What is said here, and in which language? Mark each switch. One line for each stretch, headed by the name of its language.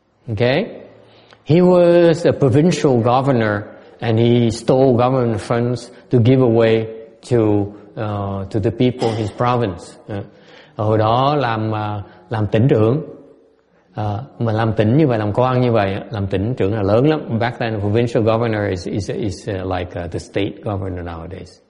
English: Okay, he was a provincial governor, and he stole government funds to give away to the people in his province.
Vietnamese: Hồi đó làm tỉnh trưởng, mà làm tỉnh như vậy, làm quan như vậy, làm tỉnh trưởng là lớn lắm.
English: Back then, provincial governor is like the state governor nowadays.